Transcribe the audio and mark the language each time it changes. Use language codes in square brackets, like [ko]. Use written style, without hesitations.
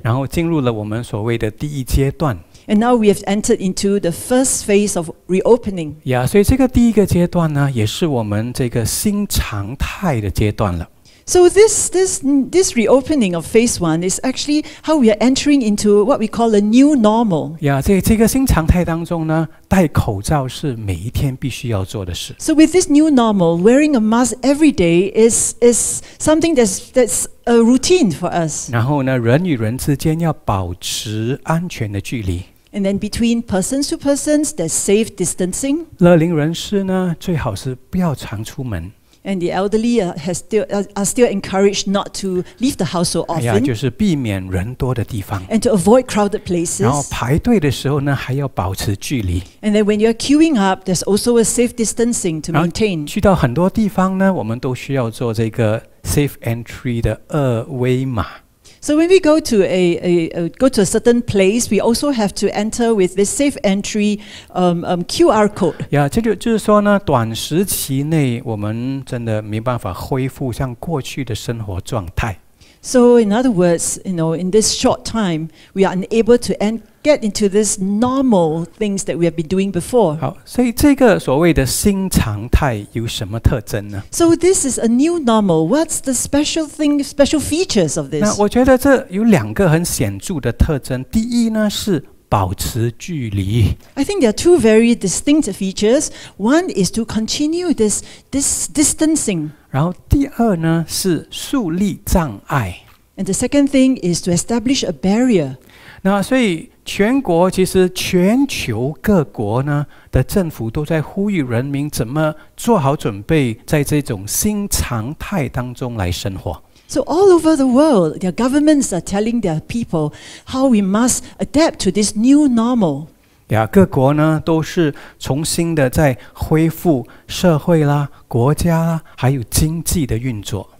[zh] 然后进入了我们所谓的第一阶段。 [en] And now we have entered into the first phase of reopening. [zh] Yeah, 所以这个第一个阶段呢，也是我们这个新常态的阶段了。 [en] So this reopening of phase one is actually how we are entering into what we call a new normal. [zh] Yeah, 在这个新常态当中呢，戴口罩是每一天必须要做的事。 [en] So with this new normal, wearing a mask every day is something that's a routine for us. [zh] 然后呢，人与人之间要保持安全的距离。 [en] And then between persons to persons, there's safe distancing. [zh] 乐龄人士呢，最好是不要常出门。 [en] And the elderly are still encouraged not to leave the house so often. [zh] 就是避免人多的地方。 [en] And to avoid crowded places. [zh] 然后排队的时候呢，还要保持距离。 [en] And then when you're queuing up, there's also a safe distancing to maintain. [zh] 去到很多地方呢，我们都需要做这个 safe entry 的二维码。 [en] So when we go to a certain place, we also have to enter with this safe entry QR code. [zh] Yeah, 就是说呢，短时期内我们真的没办法恢复像过去的生活状态。 [en] So in other words, you know, in this short time, we are unable to get into this normal things that we have been doing before. [zh] 好，所以这个所谓的新常态有什么特征呢？ [en] So this is a new normal. What's the special features of this? [zh] 那我觉得这有两个很显著的特征。第一呢是保持距离。 [en] I think there are two very distinct features. One is to continue this distancing. [zh] 然后第二呢是树立障碍。 [en] And the second thing is to establish a barrier. [zh] 那所以全国其实全球各国呢的政府都在呼吁人民怎么做好准备，在这种新常态当中来生活。 [en] So all over the world, their governments are telling their people how we must adapt to this new normal. [zh] Yeah, 各国呢都是重新的在恢复社会啦、国家啦，还有经济的运作。